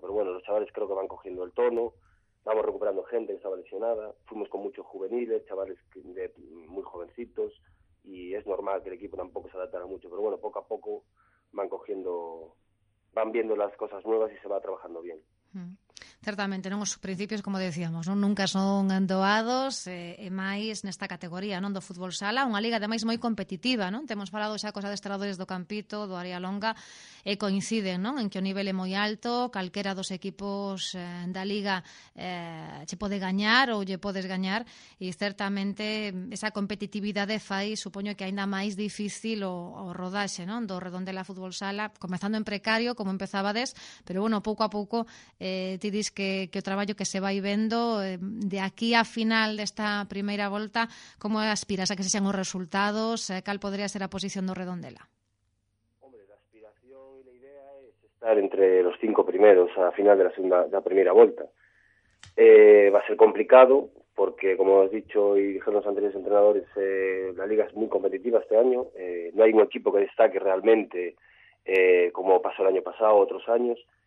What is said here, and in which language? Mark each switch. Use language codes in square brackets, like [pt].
[es] Pero bueno, los chavales creo que van cogiendo el tono, vamos recuperando gente que estaba lesionada, fuimos con muchos juveniles, chavales muy jovencitos, y es normal que el equipo tampoco se adaptara mucho, pero bueno, poco a poco van viendo las cosas nuevas y se va trabajando bien. [gl] Certamente, non, os principios, como decíamos, non, nunca son doados e máis nesta categoría, non, do fútbol sala, unha liga ademais moi competitiva, non? Temos falado xa cos adestradores do Campito, do Arealonga, e coinciden, non, en que o nivel é moi alto, calquera dos equipos da liga che pode gañar ou lle podes gañar, e certamente esa competitividade fai, supoño, que aínda máis difícil o rodaxe, non, do Redondela fútbol sala, comezando en precario como empezabades, pero bueno, pouco a pouco ti dis que o traballo que se vai vendo de aquí a final desta primeira volta, como aspiras a que se sean os resultados? Cal podría ser a posición do Redondela? Hombre, a aspiración e a idea é estar entre os 5 primeros a final de da primeira volta. [es] Va a ser complicado porque, como has dicho [gl] e dijeron os anteriores entrenadores, a liga é moi competitiva este ano, non hai un equipo que destaque realmente como pasou o ano pasado, outros anos,